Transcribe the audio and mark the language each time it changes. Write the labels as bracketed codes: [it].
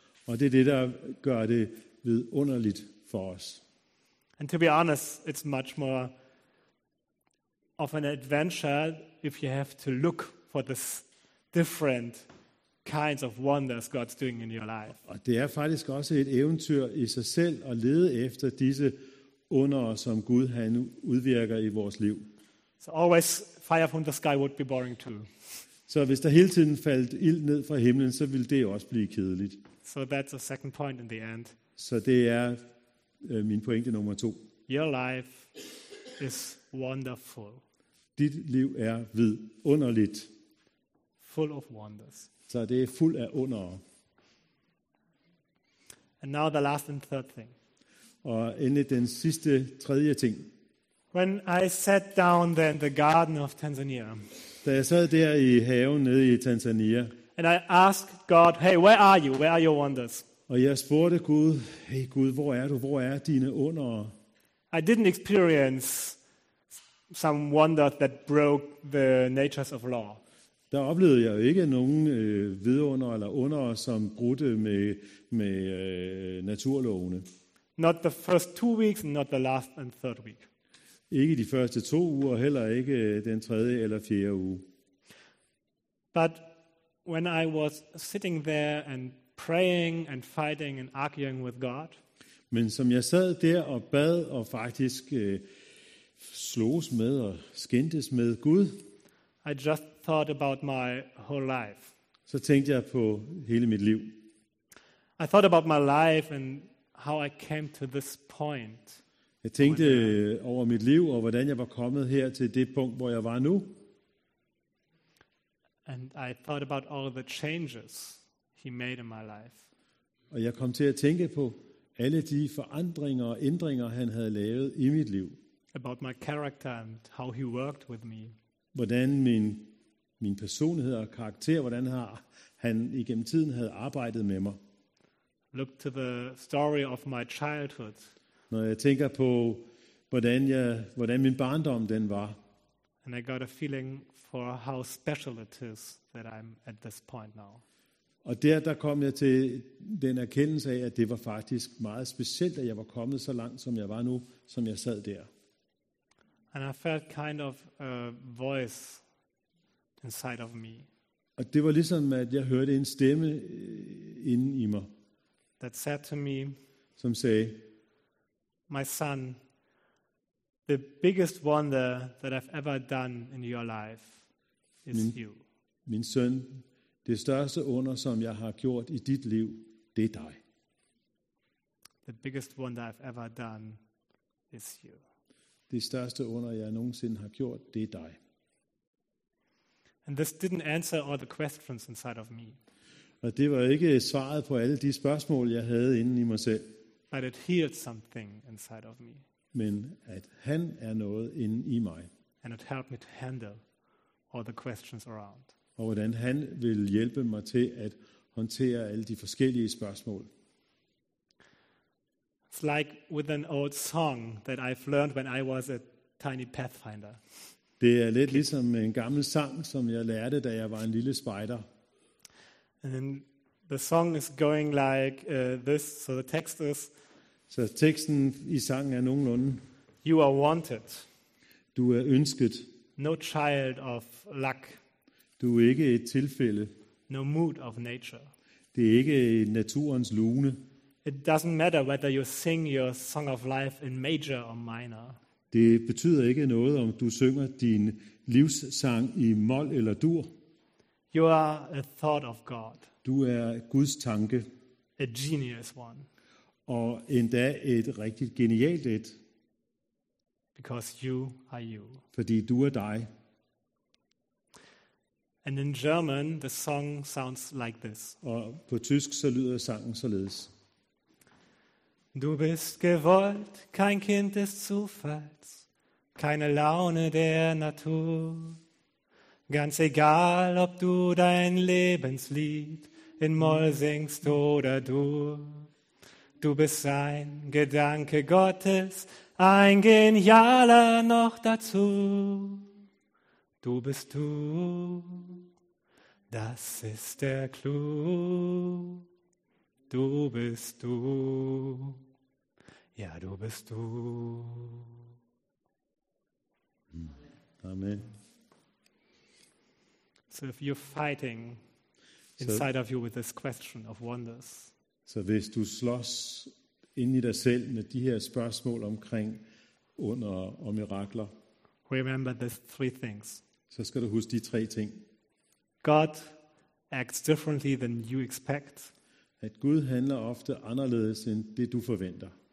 [da] Og det er det der gør det vidunderligt for os. [en] And to be honest, it's much more of an adventure if you have to look for this different kinds of wonders God's doing in your life. [da] Og det er faktisk også et eventyr i sig selv at lede efter disse under, som Gud han udvirker i vores liv. [en] So always fire from the sky would be boring too. [da] Så hvis der hele tiden faldt ild ned fra himlen, så ville det også blive kedeligt. [en] So that's a second point in the end. [da] Så det er min pointe nummer to. [en] Your life is wonderful. [da] Dit liv er vidunderligt. [en] Full of wonders. [da] Så det er fuld af under. [en] And now the last and third thing. [da] Og endelig den sidste tredje ting. [en] When I sat down there in the garden of Tanzania. [da] Da jeg sad der i haven nede i Tanzania. [en] And I asked God, "Hey, where are you? Where are your wonders?" [da] Og jeg spurgte Gud, "Hey Gud, hvor er du? Hvor er dine under?" [en] I didn't experience some wonders that broke the natures of law. [da] Der oplevede jeg jo ikke nogen vidunder eller under, som brudte med naturlovene. [en] Not the first 2 weeks, not the last and third week. [da] Ikke de første 2 uger, heller ikke den tredje eller fjerde uge. [en] But when I was sitting there and praying and fighting and arguing with God. [da] Men som jeg sad der og bad og faktisk slås med og skændtes med Gud. [en] I just thought about my whole life. [da] Så tænkte jeg på hele mit liv. [en] I thought about my life and how I came to this point. [da] Jeg tænkte over mit liv og hvordan jeg var kommet her til det punkt, hvor jeg var nu. [en] And I thought about all the changes he made in my life. [da] Og jeg kom til at tænke på alle de forandringer og ændringer han havde lavet i mit liv. [en] About my character and how he worked with me. [da] Hvordan min personlighed og karakter, hvordan han igennem tiden havde arbejdet med mig. [en] Look to the story of my childhood. [da] Når jeg tænker på hvordan min barndom den var. [en] And I got a feeling for how special it is that I'm at this point now. [da] Og der kom jeg til den erkendelse af, at det var faktisk meget specielt, at jeg var kommet så langt, som jeg var nu, som jeg sad der. [en] And I felt kind of a voice inside of me. [da] Og det var ligesom, at jeg hørte en stemme inde i mig. [en] That said to me, [da] som sagde, [en] my son, the biggest wonder that I've ever done in your life is you. [da] Min søn, det største under, som jeg har gjort i dit liv, det er dig. [en] The biggest wonder I've ever done is you. [da] Det største under, jeg nogensinde har gjort, det er dig. [en] And this didn't answer all the questions inside of me. [da] Og det var ikke svaret på alle de spørgsmål, jeg havde inde i mig selv. [en] But it healed something inside of me. [da] Men at han er noget inde i mig. [en] And it helped me to handle all the questions around. [da] Og hvordan han vil hjælpe mig til at håndtere alle de forskellige spørgsmål. [en] It's like with an old song that I've learned when I was a tiny pathfinder. [da] Det er lidt ligesom en gammel sang, som jeg lærte, da jeg var en lille spejder. [en] And the song is going like this, so the text is. [da] Så teksten i sangen er nogenlunde. [en] You are wanted. [da] Du er ønsket. [en] No child of luck. [da] Du er ikke et tilfælde. [en] No mood of nature. [da] Det er ikke naturens lune. [en] It doesn't matter whether you sing your song of life in major or minor. [da] Det betyder ikke noget, om du synger din livssang i mol eller dur. [en] You are a thought of God. [da] Du er Guds tanke. [en] A genius one. [da] Og endda et rigtigt genialt et. [en] Because you are you. [da] Fordi du er dig. [en] And in German, the song sounds like this. [da] Og på tysk så lyder sangen således. [de] Du bist gewollt, kein Kind des Zufalls, keine Laune der Natur. Ganz egal, ob du dein Lebenslied in Moll singst oder Dur. Du bist ein Gedanke Gottes, ein Genialer noch dazu. Du bist du, das ist der Clou. Du bist du. Ja, du bist du. [en] Amen. So if you're fighting inside of you with this question of wonders. [da] Så hvis du slås ind i dig selv med de her spørgsmål omkring under og mirakler. [en] Remember these three things. [da] Så skal du huske de tre ting. [en] God acts differently than you expect. [da] At Gud handler ofte anderledes end det du forventer.